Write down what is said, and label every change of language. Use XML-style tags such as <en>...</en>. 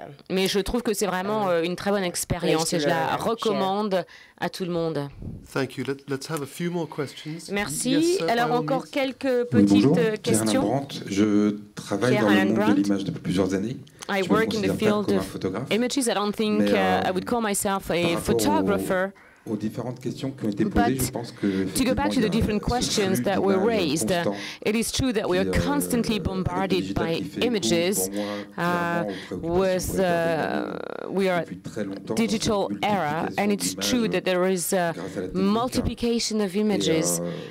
<fr>Mais je trouve que c'est vraiment une très bonne expérience et je la recommande à tout le monde.</fr> <en>Thank you. Let's have a few more questions.</en> <fr>Merci. Alors, encore quelques petites questions. Je travaille dans le monde de l'image depuis plusieurs années.</fr> <en>I work in the field of images. I don't think I would call myself a photographer.</en> <fr>Aux différentes questions qui ont été posées, je pense que</fr> <en>to go back to the different questions that were raised, it is true that we are constantly bombarded by images. We are digital era, and it's true that there is a multiplication of images.</en>